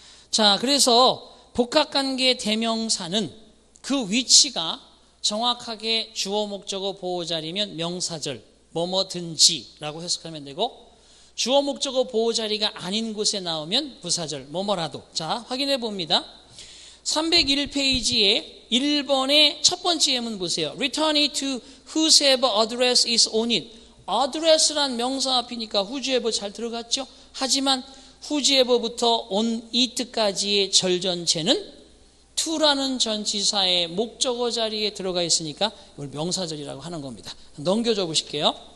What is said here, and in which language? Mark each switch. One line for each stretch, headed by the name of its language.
Korean: 자, 그래서 복합관계 대명사는 그 위치가 정확하게 주어 목적어 보호자리면 명사절, 뭐뭐든지 라고 해석하면 되고 주어 목적어 보호자리가 아닌 곳에 나오면 부사절, 뭐뭐라도. 자, 확인해 봅니다. 301페이지에 1번의 첫 번째 예문 보세요.
English: Return it to whosoever address is on it.
Korean: Address란 명사 앞이니까 whosoever 잘 들어갔죠? 하지만 whosoever부터 on it까지의 절 전체는 to라는 전치사의 목적어 자리에 들어가 있으니까 이걸 명사절이라고 하는 겁니다. 넘겨줘 보실게요.